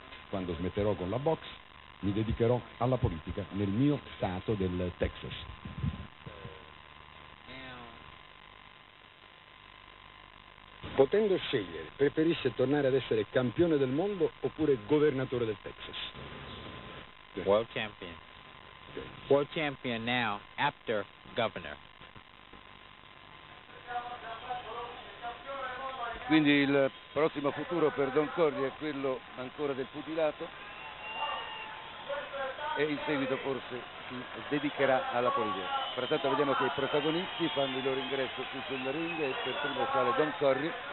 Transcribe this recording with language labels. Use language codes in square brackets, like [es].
[it] Quando smetterò con la box, mi dedicherò alla politica nel mio stato del Texas. Potendo scegliere, preferisce tornare ad essere campione del mondo oppure governatore del Texas? [en] World champion. World champion now, after governor. [it] Quindi il prossimo futuro per Don Corri è quello ancora del pugilato e in seguito forse si dedicherà alla politica. Frattanto vediamo che i protagonisti fanno il loro ingresso qui sulla ring e per primo sale Don Corri.